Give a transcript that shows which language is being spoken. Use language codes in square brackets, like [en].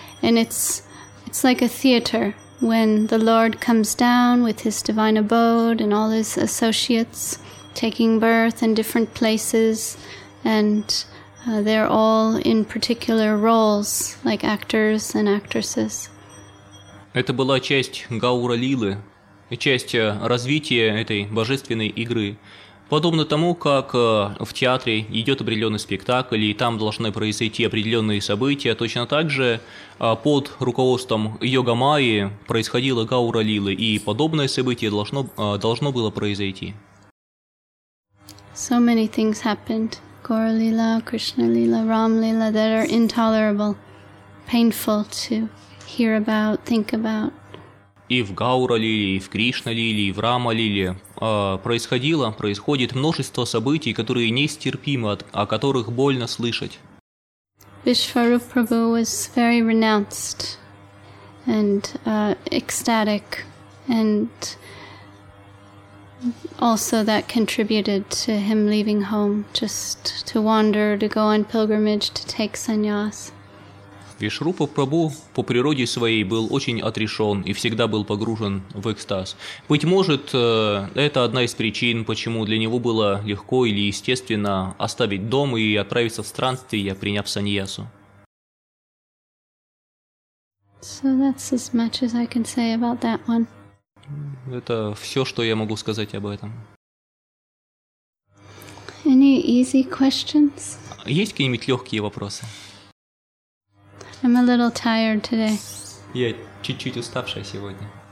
[en] And it's like a theater when the Lord comes down with his divine abode and all his associates taking birth in different places, and they're all in particular roles, like actors and actresses. [ru] Это была часть Гауралилы, часть развития этой божественной игры. Подобно тому, как в театре идет определенный спектакль, и там должны произойти определенные события, точно так же под руководством Йогамайи происходило Гауралилы, и подобное событие должно было произойти. [en] So many things happened. Gauralila, Krishna Lila, Ram Lila, that are intolerable, painful to hear about, think about. [ru] И в Гауралиле, и в Кришна Лиле, и в Рама Лиле происходит множество событий, которые нестерпимы, о которых больно слышать. [en] Vishwarupa Prabhu was very renounced and ecstatic, and also that contributed to him leaving home just to wander, to go on pilgrimage, to take sannyas. [ru] Вишрупа Прабху по природе своей был очень отрешен и всегда был погружен в экстаз. Быть может, это одна из причин, почему для него было легко или естественно оставить дом и отправиться в странствие, приняв саньясу. [en] So that's as much as I can say about that one. [ru] Это все, что я могу сказать об этом. [en] Any easy questions? [ru] Есть какие-нибудь легкие вопросы? [en] I'm a little tired today. [ru] Я чуть-чуть уставшая сегодня.